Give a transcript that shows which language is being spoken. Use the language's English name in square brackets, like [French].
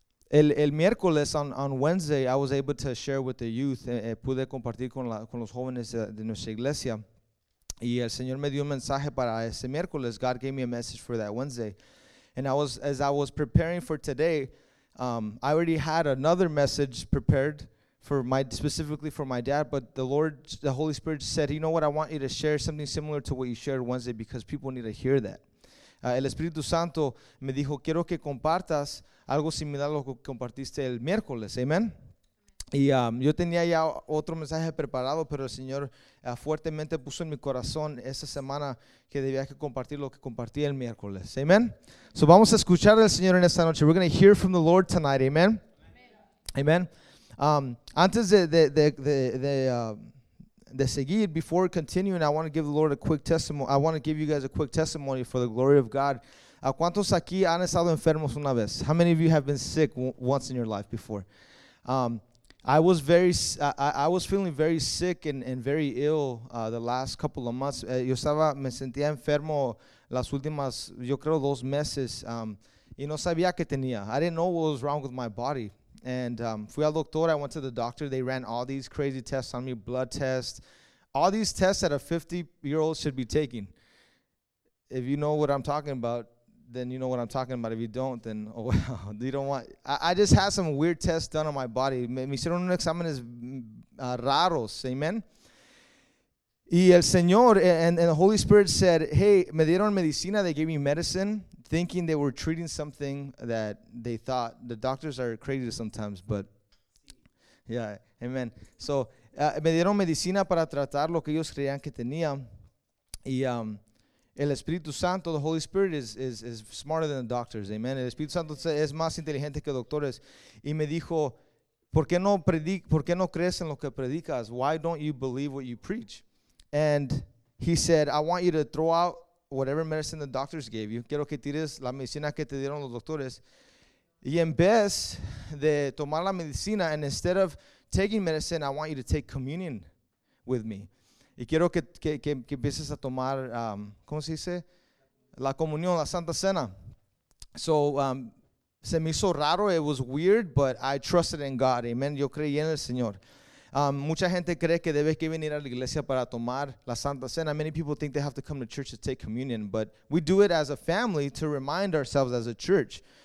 [Spanish] El miércoles, [English] on Wednesday, I was able to share with the youth. [Spanish] Pude compartir con los jóvenes de nuestra iglesia. Y el Señor me dio un mensaje para ese miércoles. [English] God gave me a message for that Wednesday. And as I was preparing for today, I already had another message prepared specifically for my dad. But the Holy Spirit said, you know what, I want you to share something similar to what you shared Wednesday because people need to hear that. [Spanish] El Espíritu Santo me dijo, quiero que compartas algo similar a lo que compartiste el miércoles. Amen. Y yo tenía ya otro mensaje preparado, pero el Señor fuertemente puso en mi corazón esa semana que debía que compartir lo que compartí el miércoles. Amen. So vamos a escuchar al Señor en esta noche. [English] We're going to hear from the Lord tonight. Amen. Amen. Amen. [Spanish] Antes de seguir, [English] before continuing, I want to give the Lord a quick testimony. I want to give you guys a quick testimony for the glory of God. [Spanish] ¿Cuántos aquí han estado enfermos una vez? [English] How many of you have been sick once in your life before? I was feeling very sick and very ill the last couple of months. [Spanish] Me sentía enfermo las últimas, yo creo, dos meses. Y no sabía qué tenía. [English] I didn't know what was wrong with my body. And [Spanish] fui al doctor, [English] I went to the doctor, they ran all these crazy tests on me, blood tests, all these tests that a 50-year-old should be taking. If you know what I'm talking about, then you know what I'm talking about. If you don't, then, oh well, you don't want. I just had some weird tests done on my body. [Spanish] Me hicieron unos exámenes raros, amen. Y el Señor, [English] and the Holy Spirit said, hey, [Spanish] me dieron medicina, [English] they gave me medicine, thinking they were treating something that they thought, the doctors are crazy sometimes, but yeah, amen. [Spanish] So, me dieron medicina para tratar lo que ellos creían que tenía. Y el Espíritu Santo, [English] the Holy Spirit is smarter than the doctors, amen. [Spanish] El Espíritu Santo es más inteligente que doctores. Y me dijo, ¿por qué no crees en lo que predicas? [English] Why don't you believe what you preach? And he said, I want you to throw out whatever medicine the doctors gave you. [Spanish] Quiero que tires la medicina que te dieron los doctores. Y en vez de tomar la medicina, [English] and instead of taking medicine, I want you to take communion with me. [Spanish] Y quiero que empieces a tomar, ¿cómo se dice? La comunión, la Santa Cena. So, se me hizo raro, [English] it was weird, but I trusted in God, amen. [Spanish] Yo creí en el Señor. Mucha gente cree que debe que venir a la iglesia para tomar la Santa Cena. [English] Many people think they have to come to church to take communion, but we do it as a family to remind ourselves as a church.